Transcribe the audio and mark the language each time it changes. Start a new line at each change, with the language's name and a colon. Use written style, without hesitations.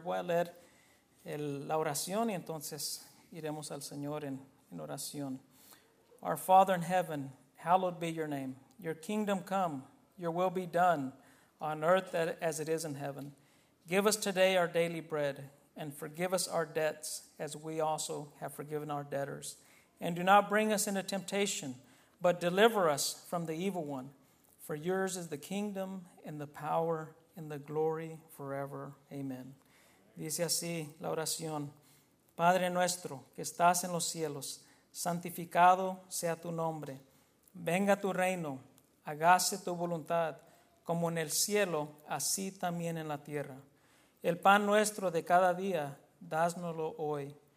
Spanish: Voy a leer la oración y entonces iremos al Señor en oración.
English: Our Father in heaven, hallowed be your name. Your kingdom come, your will be done on earth as it is in heaven. Give us today our daily bread. And forgive us our debts, as we also have forgiven our debtors. And do not bring us into temptation, but deliver us from the evil one. For yours is the kingdom, and the power, and the glory forever.
Spanish: Amen. Dice así la oración. Padre nuestro, que estás en los cielos, santificado sea tu nombre. Venga tu reino, hágase tu voluntad, como en el cielo, así también en la tierra. El pan nuestro de cada día, dásnoslo hoy.